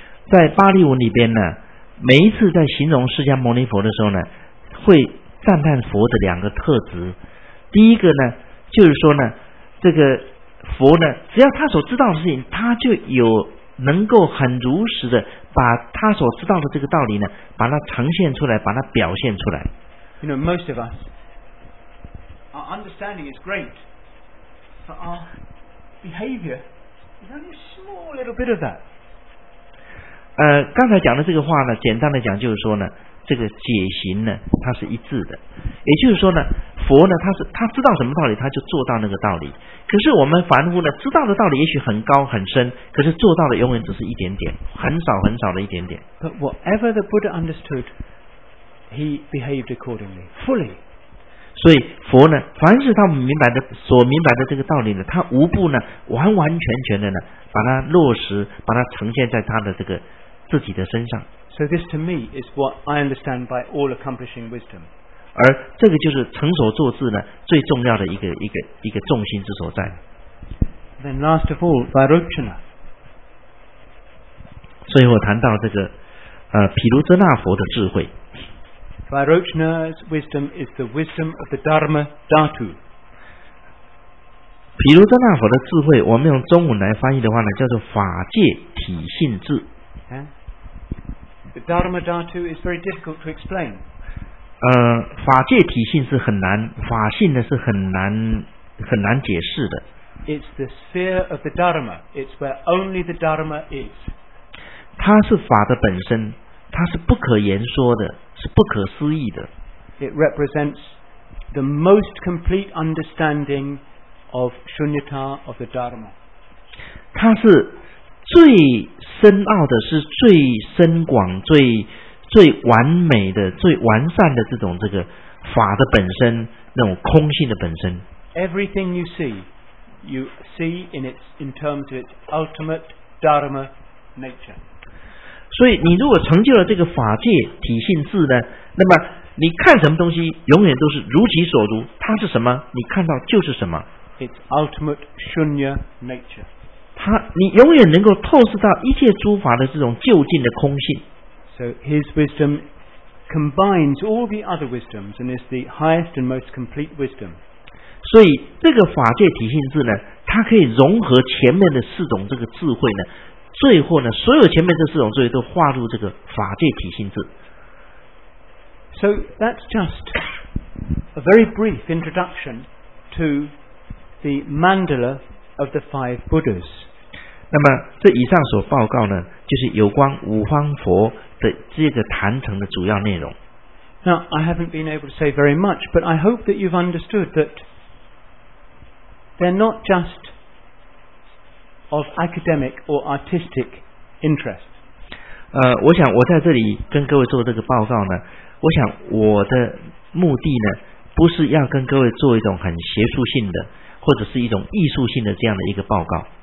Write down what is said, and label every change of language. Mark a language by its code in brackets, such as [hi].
[zh] 在巴利文里边呢，每一次在形容释迦牟尼佛的时候呢，会赞叹佛的两个特质。第一个呢，就是说呢，这个佛呢，只要他所知道的事情，他就有能够很如实的把他所知道的这个道理呢，把它呈现出来，把它表现出来。 [en] You know, most of us, our understanding is great, but our behavior is only a small little bit of that. [zh] 刚才讲的这个话呢，简单的讲就是说呢，这个解行呢，它是一致的，也就是说呢，佛呢，他知道什么道理，他就做到那个道理。可是我们凡夫呢，知道的道理也许很高很深，可是做到的永远只是一点点，很少很少的一点点。 [en] But whatever the Buddha understood, he behaved accordingly, fully. [zh] 所以佛呢，凡是他明白的所明白的这个道理呢，他无不呢，完完全全的呢，把它落实，把它呈现在他的这个自己的身上。 [en] So this to me is what I understand by all accomplishing wisdom. [zh] 而这个就是成熟坐智呢最重要的一个重心之所在。 [en] Then last of all, Virochana. [zh] 最后谈到这个毗卢遮那佛的智慧。 [en] Virochana's wisdom is the wisdom of the Dharma Dhatu. [zh] 毗卢遮那佛的智慧，我们用中文来翻译的话呢，叫做法界体性智。 [en] The Dharma Dhatu is very difficult to explain. [zh] 法界体性是很难，法性呢是很难解释的。 [en] It's the sphere of the Dharma. It's where only the Dharma is. [zh] 它是法的本身，它是不可言说的，是不可思议的。 [en] It represents the most complete understanding of Shunyata of the Dharma. [zh] 它是最深奥的，是最深广、最完美的、最完善的这种这个法的本身，那种空性的本身。 [en] Everything you see in terms of its ultimate dharma nature. [zh] 所以，你如果成就了这个法界体性智呢，那么你看什么东西，永远都是如其所如，它是什么，你看到就是什么。 [en] Its ultimate shunya nature. [zh] 你永远能够透视到一切诸法的这种究竟的空性。 [en] So his wisdom combines all the other wisdoms and is the highest and most complete wisdom. [zh] 所以这个法界体性智呢，它可以融合前面的四种这个智慧呢，最后呢，所有前面这四种智慧都化入这个法界体性智。 [en] So that's just a very brief introduction to the mandala. Of the five Buddhas. [zh] 那么这以上所报告呢，就是有关五方佛的这个坛城的主要内容。 [en] Now, I haven't been able to say very much, but I hope that you've understood that they're not just of academic or artistic interest. [zh] 我想我在这里跟各位做这个报告呢，我想我的目的呢，不是要跟各位做一种很学术性的或者是一种艺术性的这样的一个报告。